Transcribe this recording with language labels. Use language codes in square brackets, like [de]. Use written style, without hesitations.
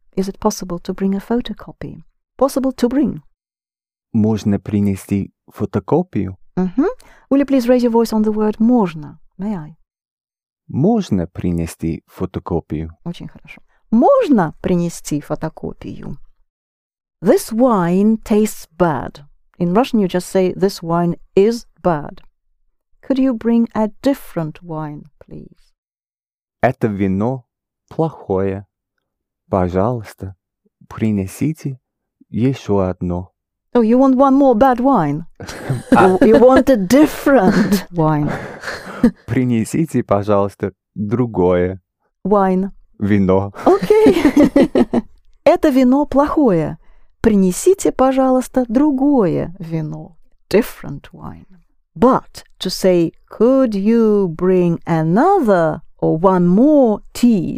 [en] Is it possible to bring a photocopy? Possible to bring. [ru] Можно принести фотокопию? [en] Mm-hmm. Will you please raise your voice on the word можно? May I? [ru] Можно принести фотокопию. Очень хорошо. Можно принести фотокопию. [en] This wine tastes bad. In Russian you just say this wine is bad. Could you bring a different wine, please? [ru] Это вино плохое. Пожалуйста, принесите еще одно. [en] Oh, you want one more bad wine? You want a different wine. [ru] Принесите, пожалуйста, другое. [en] Wine. [ru] Вино. Okay. Это вино плохое. Принесите, пожалуйста, другое вино. [en] Different wine. But to say, could you bring another or one more tea?